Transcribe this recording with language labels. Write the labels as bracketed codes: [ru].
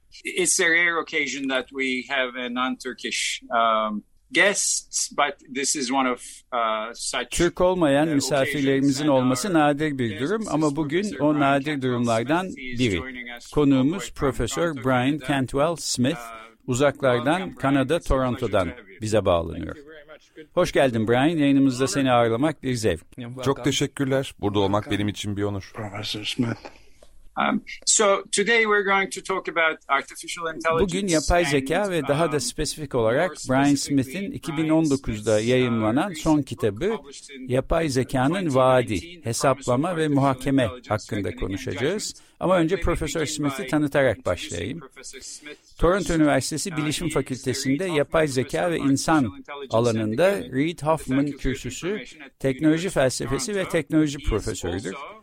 [en] It's a rare occasion that we have a non-Turkish guests, but this is one of such. [tr] Türk olmayan misafirlerimizin olması nadir bir durum ama bugün o nadir durumlardan biri. Konuğumuz Profesör Brian Cantwell Smith, uzaklardan Kanada, Toronto'dan bize bağlanıyor. Hoş geldin Brian, yayınımızda seni ağırlamak bir zevk. Çok teşekkürler, burada olmak benim için bir onur. Profesör Smith, [en] So today we're going to talk about artificial intelligence. [tr] Bugün yapay zeka ve daha da spesifik olarak Brian Smith'in 2019'da yayımlanan son kitabı Yapay Zekanın Vaadi, Hesaplama ve Muhakeme hakkında konuşacağız. Ama önce Profesör Smith'i tanıtarak başlayayım. Toronto Üniversitesi Bilişim Fakültesi'nde yapay zeka ve insan alanında Reid Hoffman kürsüsü, teknoloji felsefesi ve teknoloji profesörüdür.